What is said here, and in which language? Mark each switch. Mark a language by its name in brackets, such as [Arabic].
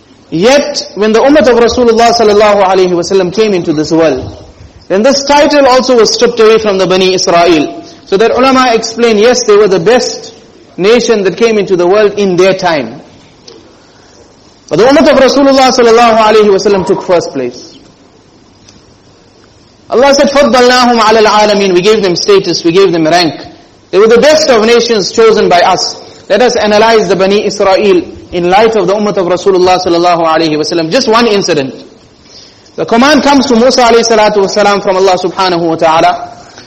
[English] Yet, when the ummah of Rasulullah sallallahu alayhi wasallam came into this world, then this title also was stripped away from the Bani Israel. So that ulama explained, yes, they were the best nation that came into the world in their time. But the ummah of Rasulullah sallallahu alayhi wasallam took first place. Allah said, [Arabic] فَضَّلْنَاهُمْ عَلَى الْعَالَمِينَ. [English] We gave them status, we gave them rank. They were the best of nations chosen by us. Let us analyze the Bani Israel in light of the ummah of Rasulullah sallallahu alayhi wasallam. Just one incident. The command comes to Musa alayhi salatu wasalam from Allah subhanahu wa ta'ala.